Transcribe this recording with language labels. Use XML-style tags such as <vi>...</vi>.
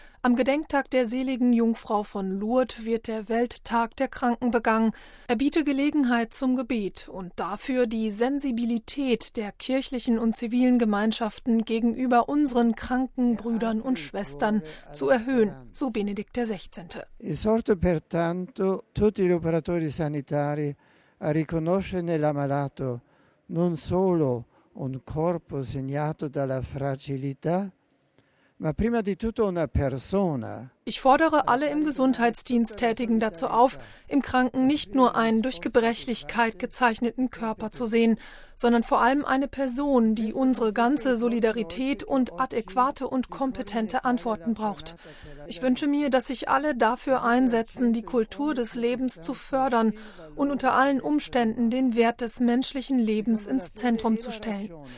<de>Am Gedenktag der seligen Jungfrau von Lourdes wird der Welttag der Kranken begangen. Er biete Gelegenheit zum Gebet und dafür, die Sensibilität der kirchlichen und zivilen Gemeinschaften gegenüber unseren kranken Brüdern und Schwestern zu erhöhen, so Benedikt XVI.</de> <it>Esorto pertanto tutti gli operatori sanitari a riconoscere l'ammalato non solo un corpo segnato dalla fragilità, ma prima di tutto una persona.</it> <de>Ich fordere alle im Gesundheitsdienst Tätigen dazu auf, im Kranken nicht nur einen durch Gebrechlichkeit gezeichneten Körper zu sehen, sondern vor allem eine Person, die unsere ganze Solidarität und adäquate und kompetente Antworten braucht. Ich wünsche mir, dass sich alle dafür einsetzen, die Kultur des Lebens zu fördern und unter allen Umständen den Wert des menschlichen Lebens ins Zentrum zu stellen.</de>